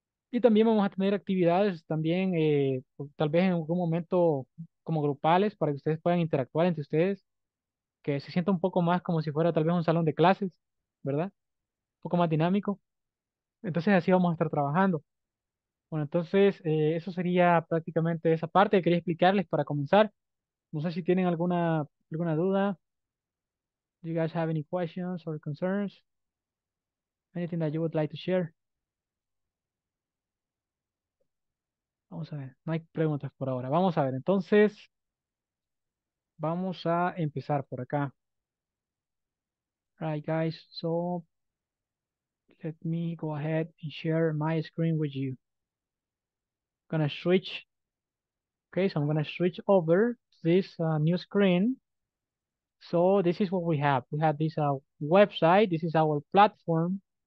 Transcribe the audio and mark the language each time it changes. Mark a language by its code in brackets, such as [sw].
[es] Y también vamos a tener actividades también, tal vez en algún momento, como grupales, para que ustedes puedan interactuar entre ustedes, que se sienta un poco más como si fuera tal vez un salón de clases, ¿verdad? Un poco más dinámico. Entonces así vamos a estar trabajando. Bueno, entonces eso sería prácticamente esa parte que quería explicarles para comenzar. No sé si tienen alguna duda. [en] Do you guys have any questions or concerns? Anything that you would like to share? [es] Vamos a ver, no hay preguntas por ahora. Vamos a ver, entonces vamos a empezar por acá. [en] Right, guys, so let me go ahead and share my screen with you. I'm gonna switch. Okay, so I'm gonna switch over to this new screen. So this is what we have. We have this website. This is our platform.